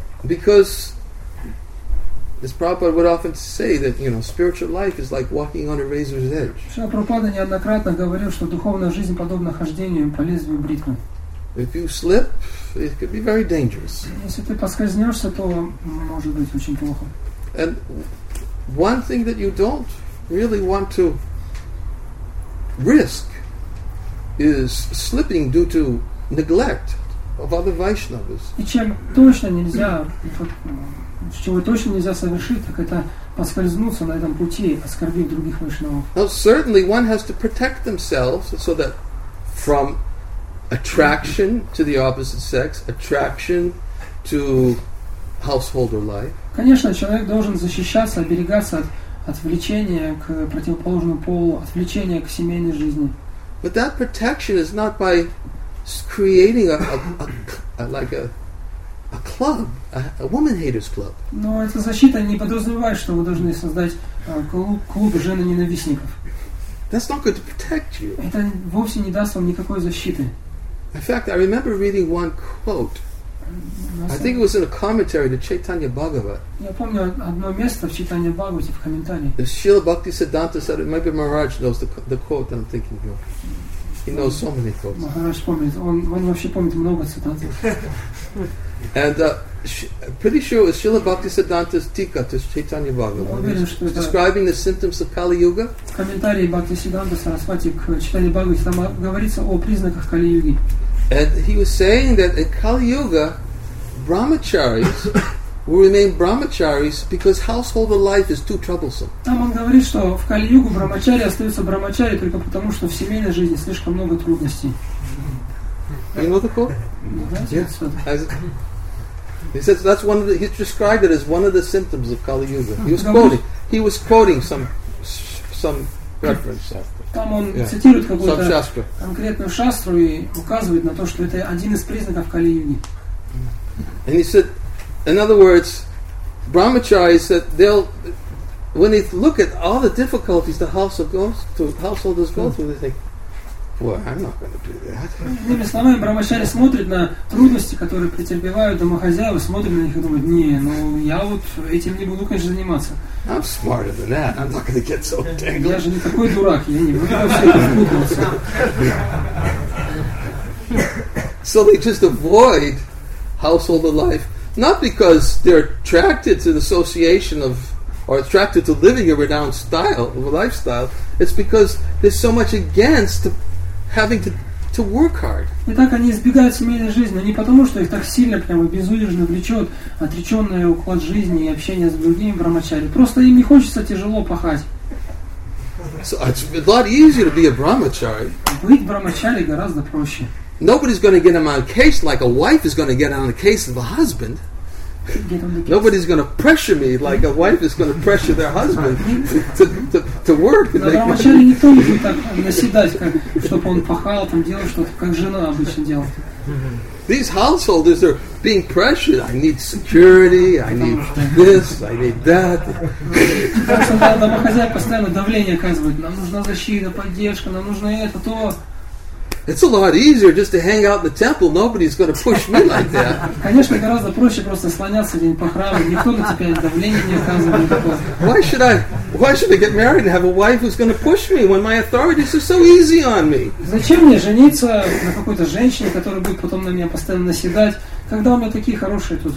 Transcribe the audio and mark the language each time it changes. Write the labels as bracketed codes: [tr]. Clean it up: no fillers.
[en] Because, as Prabhupada would often say, that you know, spiritual life is like walking on a razor's edge. [ru] Шрила Прабхупада неоднократно говорил, что духовная жизнь подобна хождению по лезвию бритвы. [en] If you slip, it could be very dangerous. [ru] Если ты поскользнешься, то может быть очень плохо. [en] And one thing that you don't really want to risk is slipping due to neglect of other Vaishnavas. [ru] И чем точно нельзя, чего точно нельзя совершить, так это поскользнуться на этом пути, оскорбив других Вайшнавов. [en] Well, certainly one has to protect themselves so that from attraction to the opposite sex, attraction to householder life. [ru] Конечно, человек должен защищаться, оберегаться от влечения к противоположному полу, от влечения к семейной жизни. [en] But that protection is not by creating a club, a woman haters club. [ru] Но эта защита не подразумевает, что вы должны создать клуб женоненавистников. [en] That's not going to protect you. [ru] Это вовсе не даст вам никакой защиты. [en] In fact, I remember reading one quote. I think it was in a commentary to Chaitanya Bhagavat. [ru] Я помню одно место в Чайтанья Бхагавате в комментарии. [en] The Srila Bhakti Siddhanta said it. Maybe Maharaj knows the quote that I'm thinking of. He knows so many quotes. [ru] Maharaj помнит. Он вообще помнит много цитат. [en] And pretty sure it was Srila Bhakti Siddhanta's Tika to Chaitanya Bhagavat. [ru] Уверен, [en] describing the symptoms of Kali Yuga. [ru] В комментарии Бхакти Сиддханта Сарасвати к Чайтанья Бхагавате там говорится о признаках Кали Юги. [en] And he was saying that in Kali Yuga, brahmacharis will remain brahmacharis because householder life is too troublesome. [ru] Там он говорит, что в Кали Югу брахмачари остаются брахмачари только потому, что в семейной жизни слишком много трудностей. [en] You know the quote? Yeah. He says that's one of the, he's described it as one of the symptoms of Kali Yuga. He was quoting some reference. [ru] Там он цитирует какую-то конкретную шастру и указывает на то, что это один из признаков Кали Юги. [en] And he said, in other words, brahmacharis said they'll when they look at all the difficulties the householders go through, they think, well, I'm not going to do that. [ru] Иными словами, брахмачари смотрит на трудности, которые претерпевают домохозяева, смотрит на них и думает, не, ну я вот этим не буду, конечно, заниматься. [en] I'm smarter than that. I'm not going to get so tangled. [ru] Я же не такой дурак, я не буду вообще запутываться. [en] So they just avoid householder life, not because they're attracted to the association of are attracted to living a renounced style of a lifestyle, it's because there's so much against having to work hard. [ru] И так они избегают семейной жизни, не потому что их так сильно прямо безудержно влечет отреченный уклад жизни и общение с другими брамачари. Просто им не хочется тяжело пахать. [en] So it's a lot easier to be a brahmachari. [ru] Быть брамачари гораздо проще. [en] Nobody's going to get him on a case like a wife is going to get on the case of a husband. Nobody's going to pressure me like a wife is going to pressure their husband to work. [ru] Да, брамачари не то, чтобы так наседать, чтобы он пахал, там делал что-то, как жена обычно делает. [en] These householders are being pressured. I need security. I need this. I need that. [ru] Домохозяин постоянно давление оказывает. Нам нужна защита, поддержка. Нам нужно это, то. [en] It's a lot easier just to hang out in the temple. Nobody's going to push me like that. [ru] Конечно, гораздо проще просто слоняться где-нибудь по храму. Никто на тебя давление не оказывает. [en] Why should I get married and have a wife who's going to push me when my authorities are so easy on me? [ru] Зачем мне жениться на какой-то женщине, которая будет потом на меня постоянно наседать, когда у меня такие хорошие тут